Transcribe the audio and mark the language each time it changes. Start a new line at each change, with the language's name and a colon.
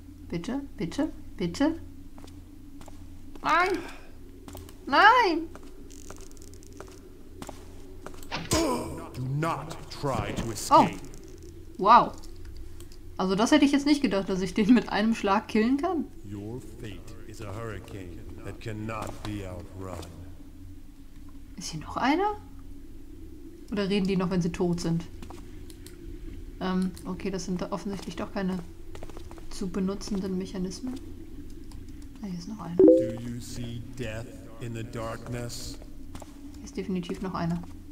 German: Bitte, bitte, bitte. Nein! Nein!
English: Do not try to Oh! Wow.
German: Also das hätte ich jetzt nicht gedacht, dass ich den mit einem Schlag killen kann.
English: Your fate is a hurricane that cannot be outrun.
German: Ist hier noch einer? Oder reden die noch, wenn sie tot sind? Okay, das sind offensichtlich doch keine zu benutzenden Mechanismen. Ah, hier ist noch einer.
English: Do you see death in the darkness?
German: Hier ist definitiv noch einer.